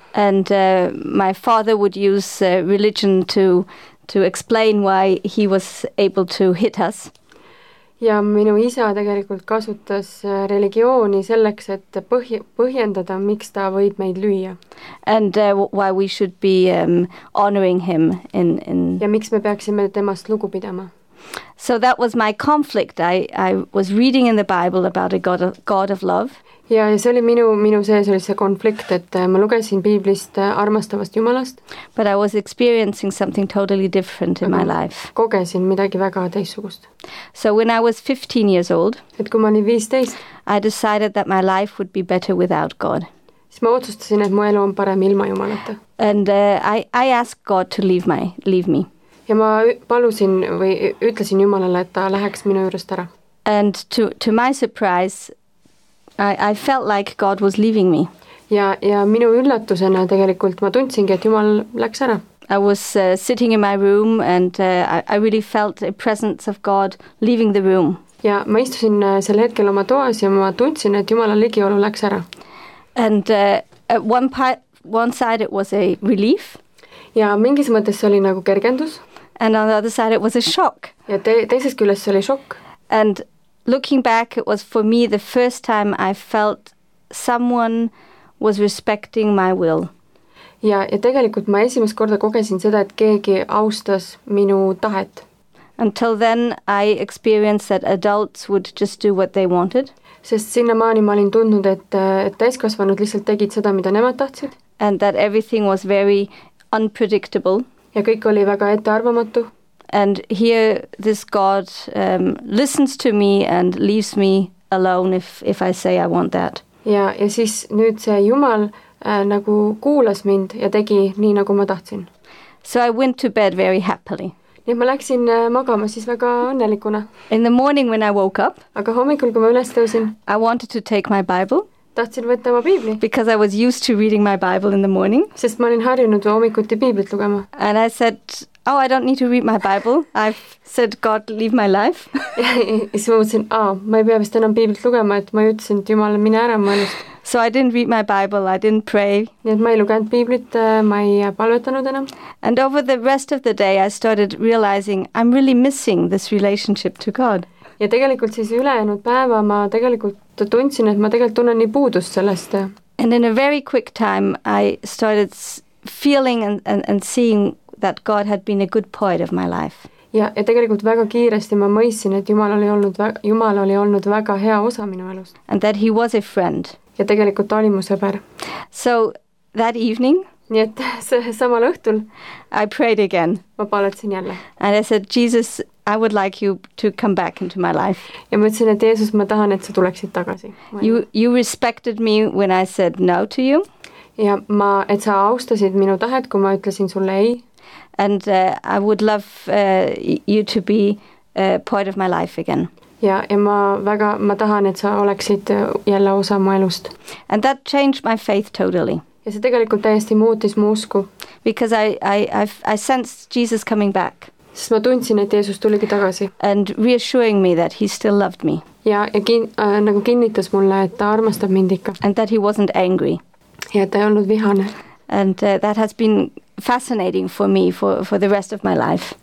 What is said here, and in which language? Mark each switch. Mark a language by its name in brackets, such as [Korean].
[English] And my father would use religion to explain why he was able to hit us. [Estonian] Ja minu isa tegelikult kasutas religiooni selleks, et põhjendada, miks ta võib meid lüüa. [English] And why we should be honoring him in [Estonian] Ja miks me peaksime temast lugu pidama? [English] So that was my conflict. I was reading in the Bible about a God of love. [Estonian] Ja see oli minu sees oli see konflikt, et ma lugesin piiblist armastavast Jumalast. [English] But I was experiencing something totally different in my life. [Estonian] Kogesin midagi väga teissugust. [English] So when I was 15 years old, [Estonian] et kui ma olin 15, [English] I decided that my life would be better without God. [Estonian] Siis ma otsustasin, et mu elu on parem ilma Jumalata. [English] And I asked God to leave me. [Estonian] Ja ma palusin või ütlesin Jumalale, et ta läheks minu juurest ära. [English] And to my surprise, I felt like God was leaving me. [Estonian] Ja minu üllatusena tegelikult ma tundsingi, et Jumal läks ära. [English] I was sitting in my room and I really felt a presence of God leaving the room. [Estonian] Ja ma istusin sel hetkel oma toas ja ma tundsin, et Jumala ligiolu läks ära. [English] And one side it was a relief. [Estonian] Ja mingis mõttes oli nagu kergendus. [English] And on the other side it was a shock. [Estonian] Ja teises küljes oli shock. [English] And looking back, it was for me the first time I felt someone was respecting my will. [Estonian] Ja tegelikult ma esimest korda kogesin seda, et keegi austas minu tahet. [English] Until then, I experienced that adults would just do what they wanted. [Estonian] Sest sinna maani ma olin tundnud, et täiskasvanud lihtsalt tegid seda, mida nemad tahtsid. [English] And that everything was very unpredictable. [Estonian] Ja kõik oli väga ettearvamatu. [English] And here this God listens to me and leaves me alone if I say I want that. [Estonian] Ja siis nüüd see Jumal nagu kuulas mind ja tegi nii nagu ma tahtsin. [English] So I went to bed very happily. [Estonian] Nii ma läksin magama siis väga õnnelikuna. [English] In the morning when I woke up, [Estonian] aga hommikul kui ma üles tõusin, [English] I wanted to take my Bible. [Estonian] Tahtsin võtta oma piibli. [English] Because I was used to reading my Bible in the morning. [Estonian] Sest ma olin harjunud hommikuti piiblit lugema. [English] And I said, oh, I don't need to read my Bible. I've said, God, leave my life. [Estonian] Ja siis ma mõtlesin, ma ei pea vist enam piiblit lugema, et ma ütlesin, et Jumal, mine ära mõelust. [English] So I didn't read my Bible, I didn't pray. [Estonian] Et ma ei lugenud piiblit, ma ei palvetanud enam. [English] And over the rest of the day I started realizing I'm really missing this relationship to God. [Estonian] Ja tegelikult siis ülejäänud päeva ma tegelikult tundsin, et ma tegelikult tunnen nii puudust sellest. [English] And in a very quick time I started feeling and seeing that God had been a good part of my life. [Estonian] Ja tegelikult väga kiiresti ma mõistsin, et Jumal oli olnud väga hea osa minu elus. [English] And that he was a friend. [Estonian] Ja tegelikult ta oli mu sõber. [English] So that evening, [Estonian] nii et samal õhtul, [English] I prayed again. [Estonian] Ma palutsin jälle. [English] And I said, Jesus, I would like you to come back into my life. [Estonian] Ja ma ütlesin, et Jeesus, ma tahan, et sa tuleksid tagasi. [English] You respected me when I said no to you. [Estonian] Ja ma, et sa austasid minu tahet, kui ma ütlesin sulle ei. [English] And I would love you to be part of my life again. [Estonian] Ja ma tahan, et sa oleksid jälle osa mu elust. [English] And that changed my faith totally. [Estonian] Ja see tegelikult täiesti muutis mu usku. [English] Because I sensed Jesus coming back. [Estonian] Sest ma tundsin, et Jeesus tuligi tagasi. [English] And reassuring me that he still loved me. [Estonian] Nagu kinnitas mulle, et ta armastab mind ikka. [English] And that he wasn't angry. [Estonian] Ja ta ei olnud vihane. [English] And that has been fascinating for me for the rest of my life.